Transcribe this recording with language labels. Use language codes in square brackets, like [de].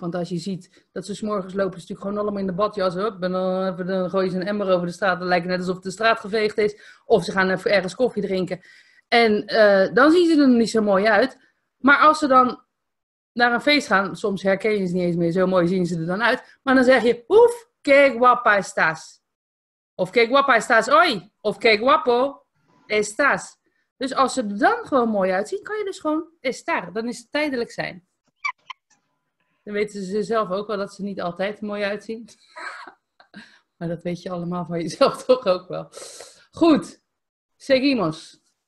[nl] Want als je ziet dat ze 's morgens lopen, is het natuurlijk gewoon allemaal in de badjas. Dan gooi je ze een emmer over de straat. Dan lijkt het net alsof de straat geveegd is. Of ze gaan even ergens koffie drinken. En dan zien ze er niet zo mooi uit. Maar als ze dan naar een feest gaan, soms herken je ze niet eens meer. Zo mooi zien ze er dan uit. Maar dan zeg je, oef, [es] qué guapa estás. Of qué guapa estás hoy. Of qué guapo estás. [nl] Dus als ze er dan gewoon mooi uitzien, kan je dus gewoon estar. Dan is het tijdelijk zijn. Dan weten ze zelf ook wel dat ze niet altijd mooi uitzien. Maar dat weet je allemaal van jezelf toch ook wel. Goed. [es] Seguimos.